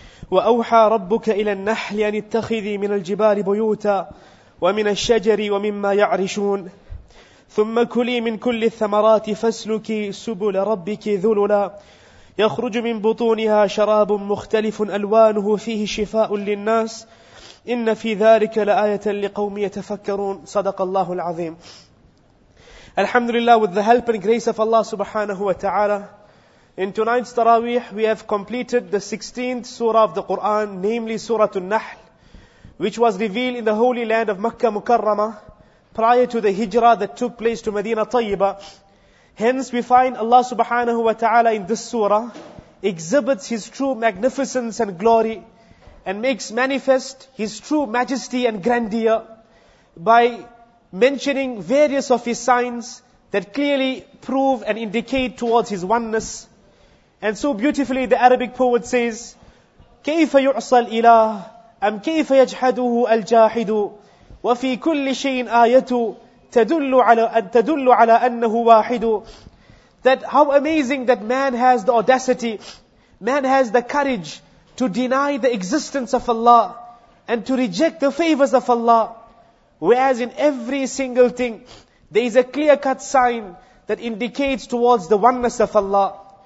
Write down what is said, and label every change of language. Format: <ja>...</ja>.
<ar>وأوحى ربك إلى النحل أن اتخذي من الجبال بيوتا ومن الشجر ومما يعرشون ثم كلي من كل الثمرات فاسلكي سبل ربك ذللا يخرج من بطونها شراب مختلف ألوانه فيه شفاء للناس إن في ذلك لآية لقوم يتفكرون. صدق الله العظيم. الحمد لله.</ar> <en>With the help and grace of Allah subhanahu wa ta'ala, in tonight's Taraweeh we have completed the 16th surah of the Quran, namely Surah An-Nahl, which was revealed in the holy land of Makkah Mukarrama prior to the hijrah that took place to Medina Tayyiba. Hence we find Allah subhanahu wa ta'ala in this surah exhibits His true magnificence and glory and makes manifest His true majesty and grandeur by mentioning various of His signs that clearly prove and indicate towards His oneness. And so beautifully the Arabic poet says,</en> <ar>كَيْفَ يُعْصَى الْإِلَهُ أَمْ كَيْفَ يَجْحَدُهُ الْجَاحِدُ وَفِي كُلِّ شَيْءٍ آيَةُ تَدُلُّ عَلَىٰ أَنَّهُ وَاحِدُ.</ar> <en>That how amazing that man has the audacity, man has the courage to deny the existence of Allah and to reject the favors of Allah. Whereas in every single thing, there is a clear-cut sign that indicates towards the oneness of Allah.</en>